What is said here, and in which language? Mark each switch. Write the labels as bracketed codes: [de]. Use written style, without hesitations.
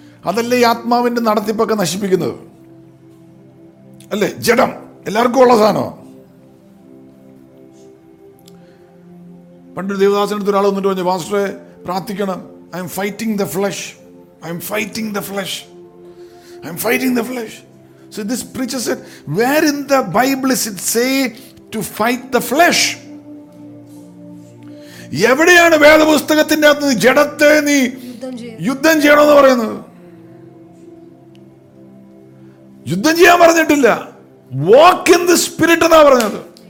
[ml] അതല്ലേ ഈ ആത്മാവിന്റെ നടത്തിപ്പൊക്കെ നശിപ്പിക്കുന്നത്, അല്ലേ? ജഡം എല്ലാവർക്കും ഉള്ള സാധനമാണ്. പണ്ടൊരു ദേവദാസനടുത്ത് ഒരാൾ വന്നിട്ട് പറഞ്ഞു, മാസ്റ്ററെ പ്രാർത്ഥിക്കണം, [en] I am fighting the flesh. So this preacher said, where in the Bible is it say to fight the flesh? [ml] എവിടെയാണ് വേദപുസ്തകത്തിന്റെ അകത്ത് ജഡത്തെ നീ യുദ്ധം ചെയ്യണമെന്ന് പറയുന്നത്? യുദ്ധം ചെയ്യാൻ പറഞ്ഞിട്ടില്ല, [en] walk in the spirit [ml] എന്നാ പറഞ്ഞത്.